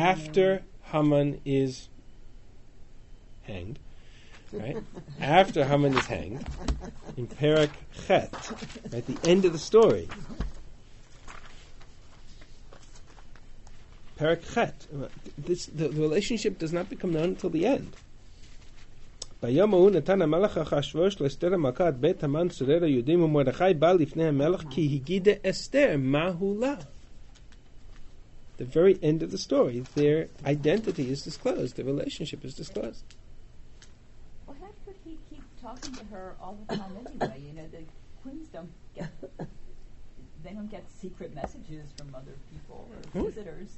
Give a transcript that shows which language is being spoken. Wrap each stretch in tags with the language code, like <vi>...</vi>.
<en>After Haman is hanged. Right? After Haman is hanged. In Perek Chet. At the end of the story. Perek Chet. The relationship does not become known until the end.</en> <he>ביום ההוא נתן המלך אחשוורוש לאסתר המלכה את בית המן צורר היהודים ומרדכי בא לפני המלך כי הגידה אסתר מהו לה.</he> <en>The very end of the story, their identity is disclosed, their relationship is disclosed. Well, how could he keep talking to her all the time anyway? You know, the queens don't get secret messages from other people or visitors.</en>